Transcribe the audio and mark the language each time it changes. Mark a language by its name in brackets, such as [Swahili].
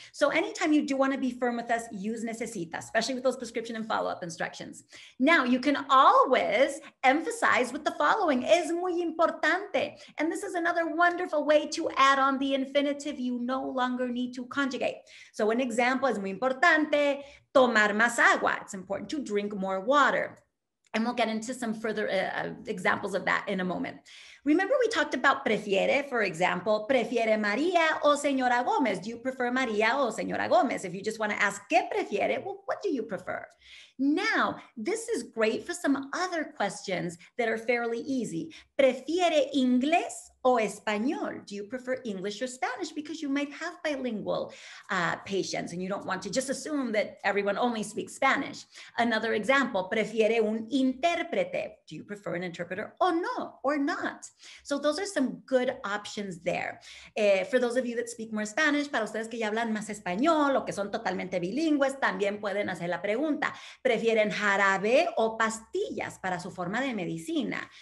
[English] So anytime you do want to be firm with us, use necesita, especially with those prescription and follow-up instructions. Now, you can always emphasize with the following, [Spanish] es muy importante. [English] And this is another wonderful way to add on the infinitive you no longer need to conjugate. So an example is [Spanish] muy importante, tomar más agua. [English] It's important to drink more water. And we'll get into some further examples of that in a moment. Remember we talked about prefiere, for example, [Spanish] prefiere María o Señora Gómez? [English] Do you prefer María o Señora Gómez? If you just want to ask, [Spanish] ¿qué prefiere? [English] Well, what do you prefer? Now, this is great for some other questions that are fairly easy. [Spanish] ¿Prefiere inglés o español? [English] Do you prefer English or Spanish? Because you might have bilingual patients and you don't want to just assume that everyone only speaks Spanish. Another example, [Spanish] ¿prefiere un intérprete? [English] Do you prefer an interpreter or no, or not? So those are some good options there. For those of you that speak more Spanish, [Spanish] para ustedes que ya hablan más español o que son totalmente bilingües, también pueden hacer la pregunta. ¿Prefieren jarabe o pastillas para su forma de medicina?